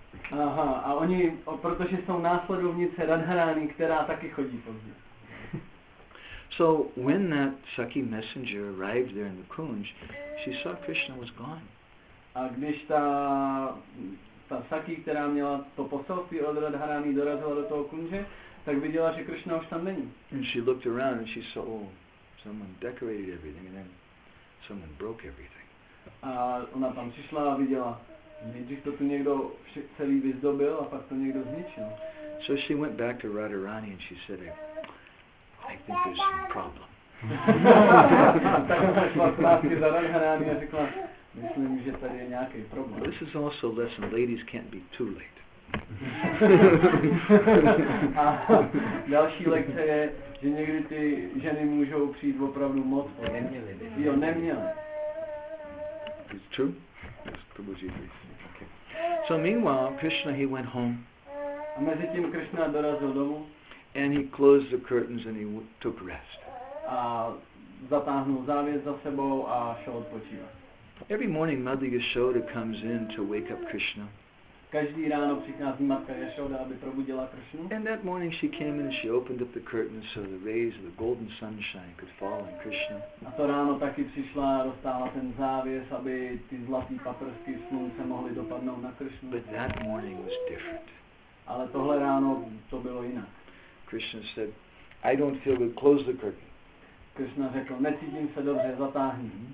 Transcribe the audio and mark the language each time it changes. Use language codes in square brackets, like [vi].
[cs] Aha, a oni, protože jsou následovnice Radharani, která taky chodí pozdě. [en] So when that Sakhi messenger arrived there in the Kunj, she saw Krishna was gone. [cs] A když ta Sakhi, která měla to poselství od Radharani, dorazila do toho Kunže, tak viděla, že Krishna už tam není. [en] And she looked around and she saw, oh, someone decorated everything and then someone broke everything. [cs] A ona tam přišla a viděla, nejdřív to tu někdo celý vyzdobil a pak to někdo zničil. [en] So she went back to Radharani and she said, I think there's some problem. This is also a lesson, ladies can't be too late. [cs] A další lekce je, že někdy ty ženy můžou přijít opravdu moc. Neměli. [en] It's true? Yes, Prabhuji, please. Okay. So meanwhile, Krishna, he went home. [cs] A mezi tím Krishna dorazil domů. [en] And he closed the curtains and he took rest. [cs] A zatáhnul závěs za sebou a šel odpočívat. [en] Every morning Mother Yashoda comes in to wake up Krishna. [cs] Každý ráno přichází matka Yashoda, aby probudila Krishnu. [en] And that morning she came in and she opened up the curtains so the rays of the golden sunshine could fall on Krishna. [cs] A to ráno taky přišla a roztáhla ten závěs, aby ty zlatý paprsky slunce mohly dopadnout na Krishnu. [en] But that morning was different. [cs] Ale tohle ráno to bylo jinak. [en] Krishna said, I don't feel good, close the curtain. [cs] Krishna řekl, necítím se dobře, zatáhni.